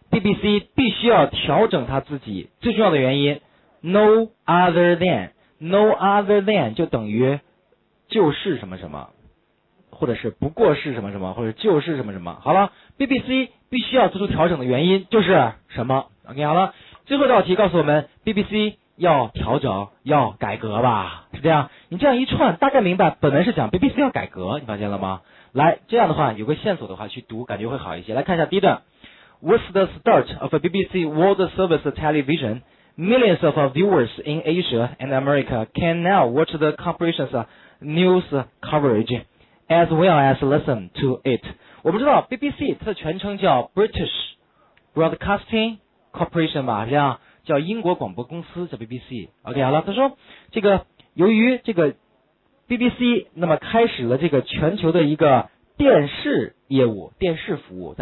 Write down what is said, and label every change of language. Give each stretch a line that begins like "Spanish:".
Chinese: BBC 必须要调整它自己，最重要的原因
English: no other than
Chinese: 就等于就是什么什么，或者是不过是什么什么，或者就是什么什么。好了， BBC 必须要做出调整的原因就是什么， OK， 好了，最后一道题告诉我们 BBC要调整，要改革吧，是这样。你这样一串，大概明白，本来是讲 BBC 要改革，你发现了吗？来，这样的话，有个线索的话去读，感觉会好一些。来看一下第一段 ，
English: What's the start of a BBC World Service Television? Millions of viewers in Asia and America can now watch the comprehensive news coverage, as well as listen to it.
Chinese: 我们知道 BBC 它的全称叫 British Broadcasting Corporation 吧，是这样。叫英国广播公司，叫 BBC。OK， 好了，他说，这个由于这个 BBC， 那么开始了这个全球的一个电视业务、电视服务。